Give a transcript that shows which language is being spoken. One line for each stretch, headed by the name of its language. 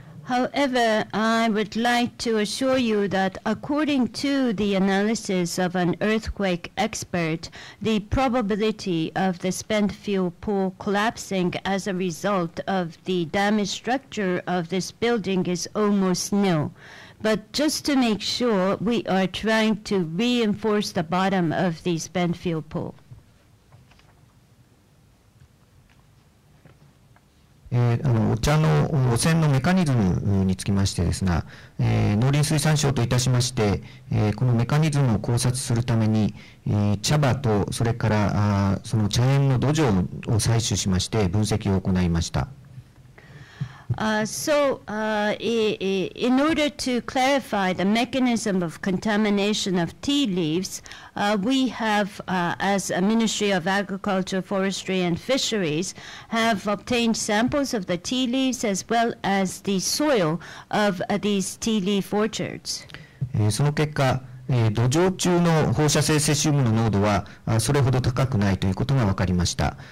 English: However, I would like to assure you that according to the analysis of an earthquake expert, the probability of the spent fuel pool collapsing as a result of the damaged structure of this building is almost nil. But just to make sure, we are trying to reinforce the bottom of the spent fuel pool.
Japanese: お茶の汚染のメカニズムにつきましてですが、農林水産省といたしまして、このメカニズムを考察するために、茶葉とそれからその茶園の土壌を採取しまして分析を行いました。
English: In order to clarify the mechanism of contamination of tea leaves, we have, as a Ministry of Agriculture, Forestry and Fisheries, have obtained samples of the tea leaves as well as the soil of these tea leaf orchards.
Japanese: その結果、土壌中の放射性セシウムの濃度はそれほど高くないということが分かりました。